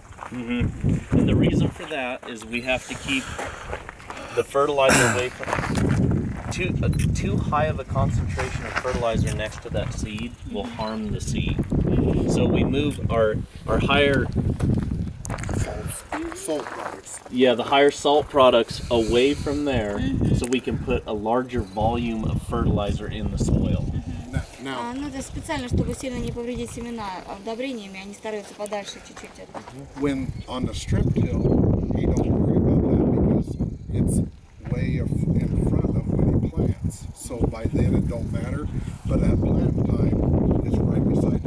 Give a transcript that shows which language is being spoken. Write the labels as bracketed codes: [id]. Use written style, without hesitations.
[en] And the reason for that is we have to keep the fertilizer away from too high of a concentration of fertilizer next to that seed will harm the seed. So we move our higher salt products. Yeah, the higher salt products away from there, so we can put a larger volume of fertilizer in the soil. [ru] Ну это специально, чтобы сильно не повредить семена удобрениями, они стараются подальше чуть-чуть от. [en] When on the strip till, he don't worry about that because it's way in front of when he plants. So by then it don't matter, but at plant time.